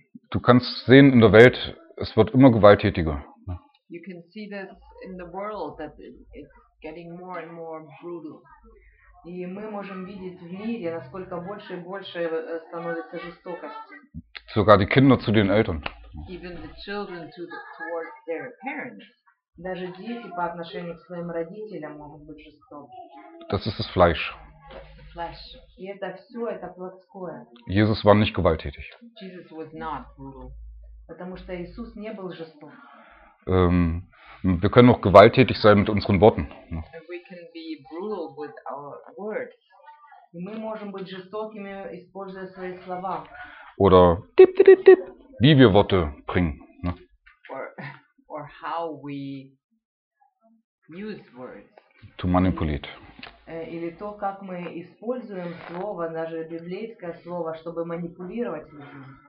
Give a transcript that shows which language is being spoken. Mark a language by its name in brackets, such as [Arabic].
[German] Du kannst sehen in der Welt, es wird immer gewalttätiger. [English] You can see this in the world that it's getting more and more brutal. [Russian] И мы можем видеть в мире, насколько больше и больше становится жестокость. [German] Sogar die Kinder zu den Eltern. [English] Even the children towards their parents. [Russian] Даже дети по отношению к своим родителям могут быть жестоки. [German] Das ist das Fleisch. [English] The flesh. [Russian] И это все, это плотское. [German] Jesus war nicht gewalttätig. [English] Jesus was not brutal. [Russian] Потому что Иисус не был жесток. [German] Wir können auch gewalttätig sein mit unseren Worten. [English] And we can be brutal with our words. [Russian] И мы можем быть жестокими, используя свои слова. [German] Oder dip. Wie wir Worte bringen. Ne? [English] Or how we use words. To manipulate. [Russian] Или то, как мы используем слово, даже библейское слово, чтобы манипулировать людьми.